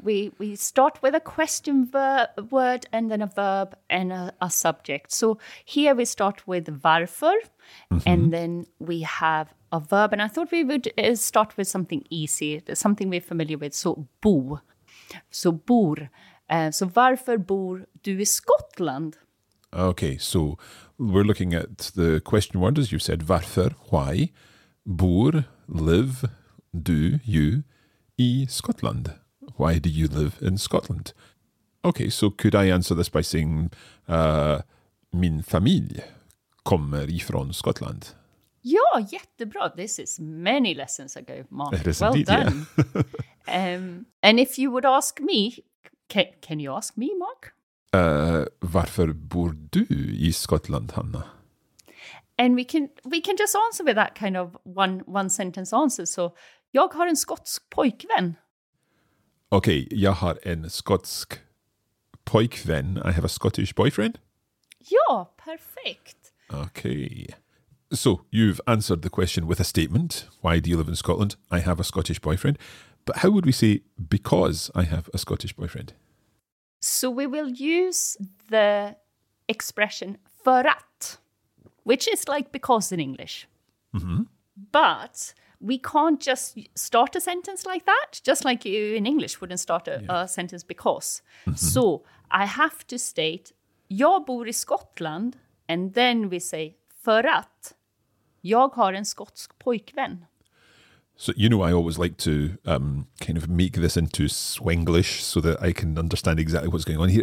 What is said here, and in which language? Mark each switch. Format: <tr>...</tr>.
<en>We start with a question word and then a verb and a subject. So here we start with varför, and then we have a verb. And I thought we would start with something easy, something we're familiar with. So bo, so bor.</en> <sv>So varför bor du I Skottland?</sv> <en>Okay, so we're looking at the question word, as you said, varför, why. Bor, live, do, you, I Scotland. Why do you live in Scotland? Okay, so could I answer this by saying,</en> <sv>min familj kommer ifrån Scotland? Ja, jättebra.</sv> <en>This is many lessons ago, Mark. It is indeed, well done. Yeah. and if you would ask me, can you ask me, Mark?</en> <sv>Varför bor du I Scotland, Hanna?</sv> <en>And we can just answer with that kind of one sentence answer.</en> <sv>So, jag har en skotsk pojkvän. Okay, jag har en skotsk pojkvän.</sv> <en>I have a Scottish boyfriend?</en> <sv>Ja, perfekt.</sv> <en>Okay. So, you've answered the question with a statement. Why do you live in Scotland? I have a Scottish boyfriend. But how would we say because I have a Scottish boyfriend? So, we will use the expression för att. Which is like because in English. Mm-hmm. But we can't just start a sentence like that, just like you in English wouldn't start a sentence because. Mm-hmm. So I have to state,</en> <sv>jag bor I Skottland,</sv> <en>and then we say,</en> <sv>för att jag har en skotsk pojkvän.</sv> <en>So, you know, I always like to kind of make this into Swenglish so that I can understand exactly what's going on here.</en>